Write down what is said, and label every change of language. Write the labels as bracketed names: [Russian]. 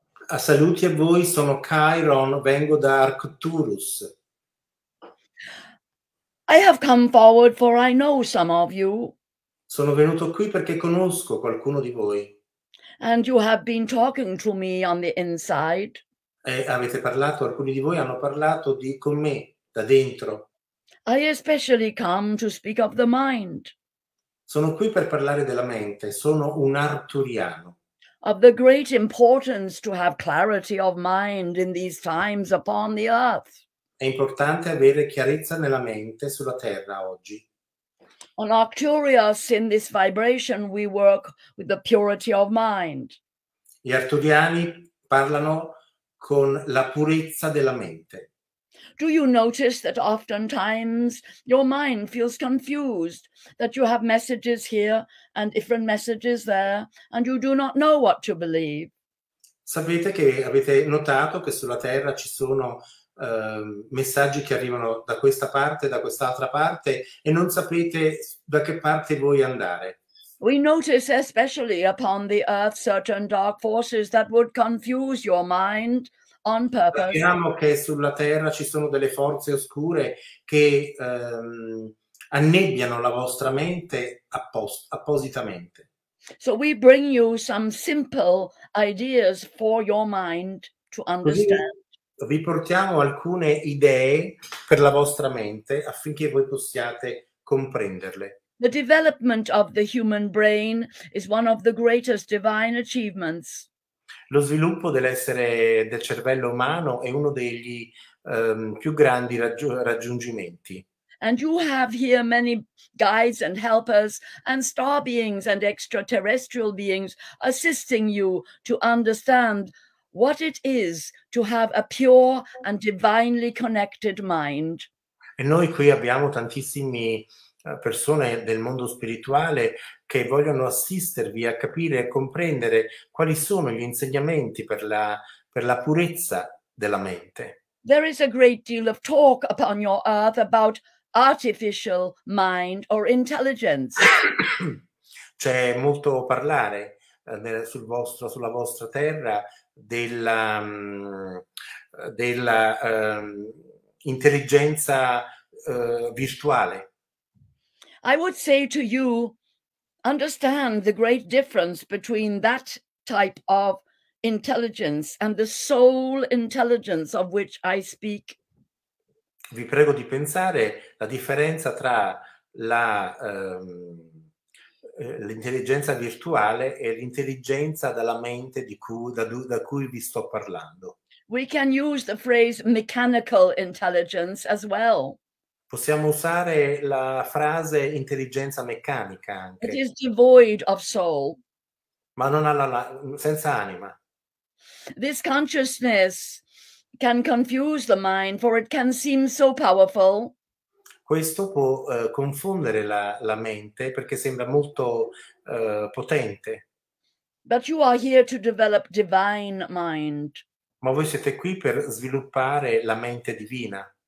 [Italian] A saluti a voi, sono Chiron, vengo da Arcturus. [English] I have come forward for I know some of you. [Italian] Sono venuto qui perché conosco qualcuno di voi. [English] And you have been talking to me on the inside. [Italian] E avete parlato, alcuni di voi hanno parlato di con me, da dentro. [English] I especially come to speak of the mind. [Italian] Sono qui per parlare della mente, sono un arturiano. [English] Of the great importance to have clarity of mind in these times upon the earth. [Italian] È importante avere chiarezza nella mente sulla terra oggi. [English] On Arcturus, in this vibration, we work with the purity of mind. [Italian] Gli arturiani parlano con la purezza della mente. [English] Do you notice that oftentimes your mind feels confused, that you have messages here and different messages there, and you do not know what to believe? [Italian] Sapete che avete notato che sulla Terra ci sono messaggi che arrivano da questa parte, da quest'altra parte, e non sapete da che parte voi andare. [English] We notice especially upon the earth certain dark forces that would confuse your mind. On purpose. [Italian] Sappiamo che sulla Terra ci sono delle forze oscure che annebbiano la vostra mente appositamente. [English] So we bring you some simple ideas for your mind to understand. [Italian] Quindi vi portiamo alcune idee per la vostra mente affinché voi possiate comprenderle. [English] The development of the human brain is one of the greatest divine achievements. [Italian] Lo sviluppo dell'essere del cervello umano è uno degli più grandi raggiungimenti. [English] And you have here many guides and helpers and star beings and extraterrestrial beings assisting you to understand what it is to have a pure and divinely connected mind. [Italian] E noi qui abbiamo tantissimi persone del mondo spirituale che vogliono assistervi a capire e comprendere quali sono gli insegnamenti per la purezza della mente. [English] There is a great deal of talk upon your earth about artificial mind or intelligence. [Italian] C'è molto parlare sulla vostra terra dell'intelligenza virtuale. [English] I would say to you, understand the great difference between that type of intelligence and the soul intelligence of which I speak. [Italian] Vi prego di pensare la differenza tra l'intelligenza virtuale e l'intelligenza della mente da cui vi sto parlando. [English] We can use the phrase mechanical intelligence as well. [Italian] Possiamo usare la frase intelligenza meccanica anche. [English] It is devoid of soul. [Italian] Ma non ha senza anima. [English] This consciousness can confuse the mind, for it can seem so powerful. [Italian] Questo può confondere la mente perché sembra molto potente. [English] But you are here to develop divine mind. [Italian] Ma voi siete qui per sviluppare la mente divina.